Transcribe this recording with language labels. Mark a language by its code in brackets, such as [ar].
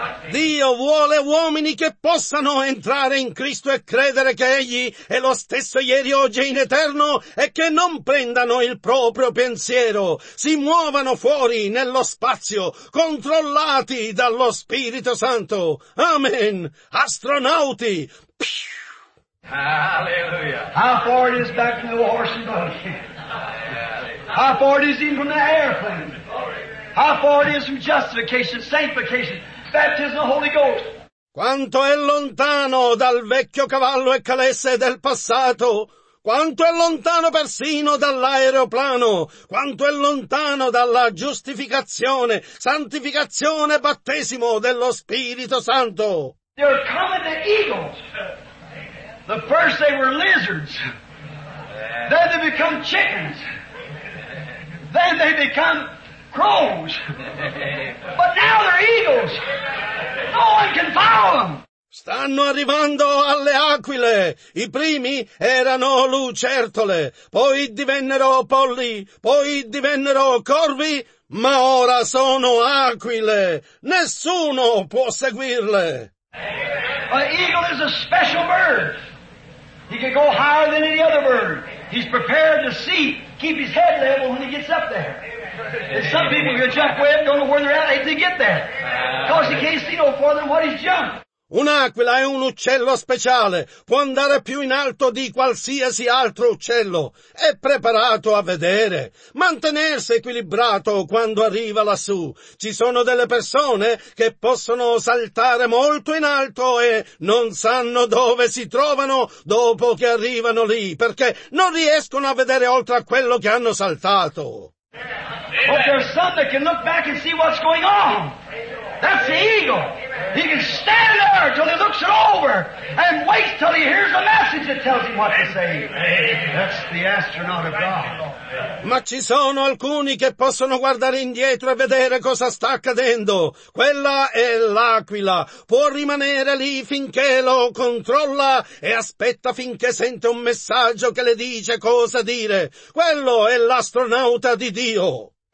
[it] Dio vuole uomini che possano entrare in Cristo e credere che Egli è lo stesso ieri, oggi e in eterno, e che non prendano il proprio pensiero, si muovano fuori nello spazio, controllati dallo Spirito Santo. Amen. Astronauti. Hallelujah. [en] How far it is back to the horse's body? How far it is even from the airplane? How far it is from justification, sanctification, baptism of the Holy Ghost? [it] Quanto è lontano dal vecchio cavallo e calesse del passato? Quanto è lontano persino dall'aeroplano? Quanto è lontano dalla giustificazione, santificazione e battesimo dello Spirito Santo? [en] They're coming to eagles. The first they were lizards. Then they become chickens. Then they become crows. But now they're eagles. No one can follow them. [it] Stanno arrivando alle aquile. I primi erano lucertole. Poi divennero polli. Poi divennero corvi. Ma ora sono aquile. Nessuno può seguirle. [en] An eagle is a special bird. He can go higher than any other bird. He's prepared to see, keep his head level when he gets up there. And some people can jump way up, don't know where they're at, they get there. Because he can't see no farther than what he's jumped. [it] Un'aquila è un uccello speciale. Può andare più in alto di qualsiasi altro uccello. È preparato a vedere. Mantenersi equilibrato quando arriva lassù. Ci sono delle persone che possono saltare molto in alto e non sanno dove si trovano dopo che arrivano lì, perché non riescono a vedere oltre a quello che hanno saltato. [en] But there's some that can look back and see what's going on. That's the eagle. He can stand there till he looks it over and waits till he hears the message that tells him what to say. That's the astronaut of God. [it] Ma ci sono alcuni che possono guardare indietro e vedere cosa sta accadendo. Quella è l'aquila. Può rimanere lì finché lo controlla e aspetta finché sente un messaggio che le dice cosa dire. Quello è l'astronauta di Dio.